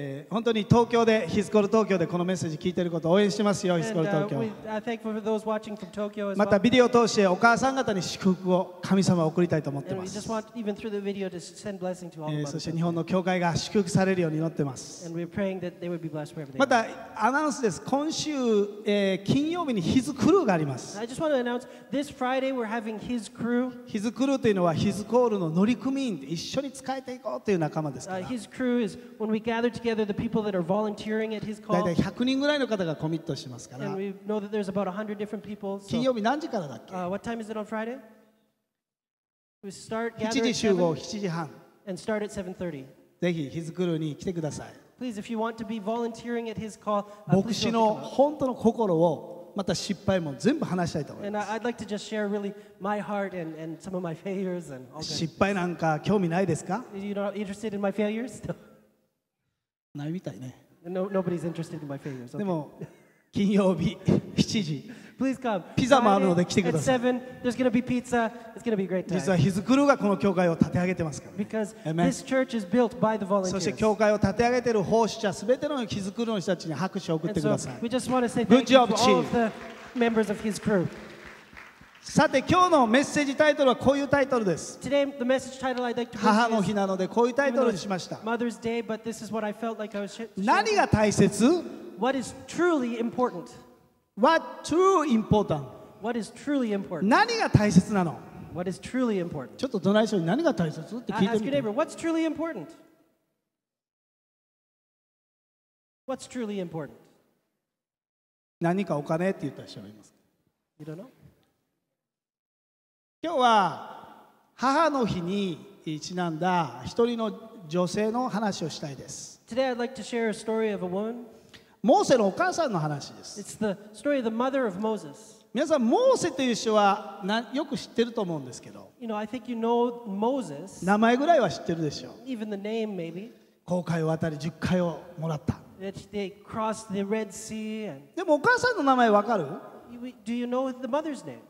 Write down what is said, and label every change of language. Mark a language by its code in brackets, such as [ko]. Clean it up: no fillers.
[ja] 本当に東京で、ヒスコル東京でこのメッセージ聞いてること応援しますよ、ヒスコル東京。 [en] I thank for those watching from Tokyo as well. [ja] またビデオを通してお母さん方に祝福を神様送りたいと思ってます。 [en] And we just want even through the video to send blessing to all of them. [ja] そして日本の教会が祝福されるように祈ってます。 [en] And we're praying that they would be blessed wherever they are. [ja] またアナウンスです。今週、金曜日にヒズクルーがあります。 [en] I just want to announce this Friday we're having his crew. [ja] ヒズクルーというのはヒズコールの乗組員で一緒に使えていこうという仲間ですから。 [en] His crew is when we gather together the people that are volunteering at his call. [ja] 大体100人ぐらいの方がコミットしますから。 [en] And we know that there's about 100 different people. So, [ja] 金曜日何時からだっけ [en] ？What time is it on Friday? We start [ja] gathering. 7時集合、7時半。 [en] And start at 7:30. [ja] ぜひヒズクルーに来てください。 [en] Please, if you want to be volunteering at his call, [ja] 牧師の本当の心をまた失敗も全部話したいと思います。 [en] And I'd like to just share really my heart and some of my failures and all. [ja] 失敗なんか興味ないですか [en] ？You're not interested in my failures? [ja] ないみたいね。 [en] No, nobody's interested in my failures. [ja] でも金曜日7時。 [en] Please come. [ja] ピザもあるので来てください。 [en] At 7, there's going to be pizza. It's going to be a great time. [ja] 実はヒズクルーがこの教会を建て上げてますから。 [en] Because this church is built by the volunteers. [ja] そして教会を建て上げている奉仕者、すべてのヒズクルーの人たちに拍手を送ってください。 [en] And so we just want to say thank you to all of the members of his crew. [ja] さて今日のメッセージタイトルはこういうタイトルです。 [en] Today the message title I'd like to bring is [ja] 母の日なのでこういうタイトルにしました。 [en] Mother's Day, but this is what I felt like I was sharing. [ja] 何が大切？ [en] What is truly important? What truly important? What is truly important? [ja] 何が大切なの? [en] What is truly important? [ja] ちょっと隣の人に何が大切って聞いてみて。 [en] Ask your neighbor, what's truly important? What's truly important? [ja] 何かお金って言った人がいますか? [en] You don't know? [ja] 今日は母の日にちなんだ一人の女性の話をしたいです。 [en] Today I'd like to share a story of a woman. [ja] モーセのお母さんの話です。 [en] It's the story of the mother of Moses. [ja] 皆さん、モーセという人はよく知ってると思うんですけど、 [en] you know, I think you know Moses. [ja] 名前ぐらいは知ってるでしょう。 [en] Even the name, maybe. [ja] 航海を渡り、10回をもらった。 [en] That they crossed the Red Sea and... [ja] でも、お母さんの名前わかる? [en] Do you know the mother's name?